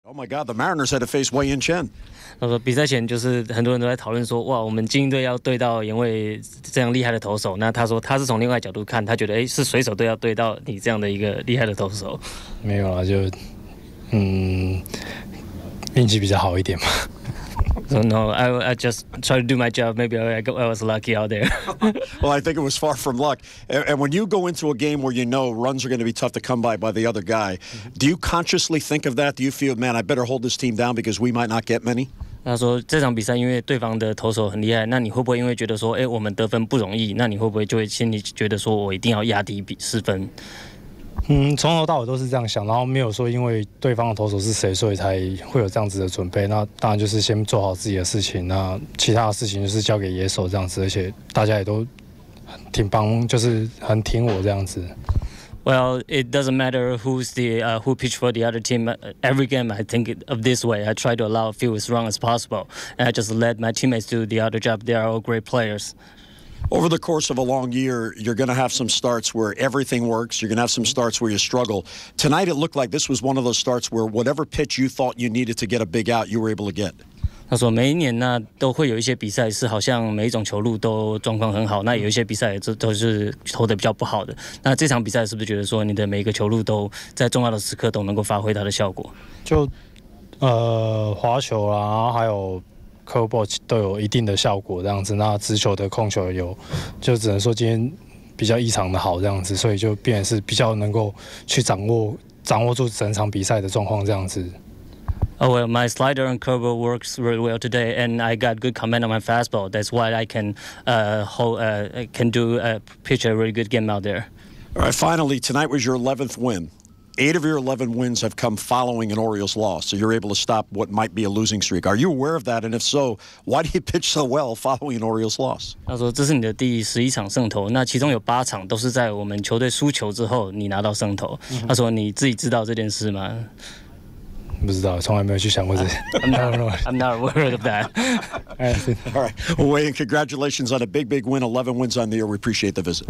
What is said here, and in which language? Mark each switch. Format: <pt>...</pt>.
<en>Oh my God, the Mariners had to face Wei-Yin Chen.</en> <zh>他说比赛前就是很多人都在讨论说，哇，我们精英队要对到因为这样厉害的投手。那他说他是从另外角度看，他觉得是水手队要对到你这样的一个厉害的投手。没有啦，就运气比较好一点嘛。</zh> <en>So, no, I just tried to do my job. Maybe I was lucky out there. Well, I think it was far from luck. And when you go into a game where you know runs are going to be tough to come by the other guy, do you consciously think of that? Do you feel, man, I better hold this team down because we might not get many?</en> <zh>他说这场比赛因为对方的投手很厉害，那你会不会因为觉得说，我们得分不容易，那你会不会就会心里觉得说我一定要压低失分？从头到尾都是这样想，然后没有说因为对方的投手是谁，所以才会有这样子的准备。那当然就是先做好自己的事情，那其他的事情就是交给野手这样子，而且大家也都挺帮，就是很挺我这样子。</zh> <en>Well, it doesn't matter who's the who pitched for the other team. Every game, I think of this way. I try to allow a few as wrong as possible, and I just let my teammates do the other job. They are all great players. Over the course of a long year, you're going to have some starts where everything works. You're going to have some starts where you struggle. Tonight, it looked like this was one of those starts where whatever pitch you thought you needed to get a big out, you were able to get.</en> <zh>他说每一年呢都会有一些比赛是好像每一种球路都状况很好，那有一些比赛都是投得比较不好的。那这场比赛是不是觉得说你的每一个球路都在重要的时刻都能够发挥它的效果？就滑球啦，还有Curveball 都有一定的效果，这样子。那直球的控球有，就只能说今天比较异常的好，这样子。所以就变成是比较能够去掌握住整场比赛的状况，这样子。</zh> <en>Oh well, my slider and curveball works really well today, and I got good command on my fastball. That's why I can pitch a really good game out there. All right. Finally, tonight was your 11th win. 8 of your 11 wins have come following an Orioles loss, so you're able to stop what might be a losing streak. Are you aware of that? And if so, why do you pitch so well following an Orioles loss?</en> <zh>他说这是你的第11场胜投，那其中有8场都是在我们球队输球之后你拿到胜投。他说你自己知道这件事吗？不知道，从来没有去想过这件事。</zh> <en>I'm not aware of that. All right, Wei-Yin, congratulations on a big, big win, 11 wins on the year. We appreciate the visit.</en>